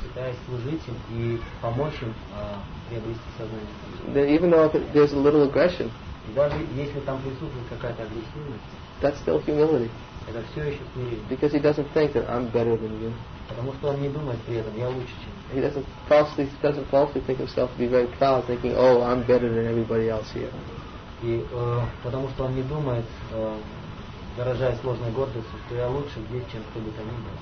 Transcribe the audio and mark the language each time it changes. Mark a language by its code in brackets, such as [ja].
[ru] Пытаясь служить им и помочь им приобрести сознание. [en] Then even though there's a little aggression. [ru] Даже если там присутствует какая-то агрессивность. [en] That's still humility. [ru] Это все еще смирение. [en] Because he doesn't think that I'm better than you. [ru] Потому что он не думает при этом, я лучше, чем. [en] He doesn't falsely think himself to be very proud, thinking, "Oh, I'm better than everybody else here." [ru] И потому что он не думает, дорожая сложной гордостью, что я лучше здесь, чем кто бы то ни был.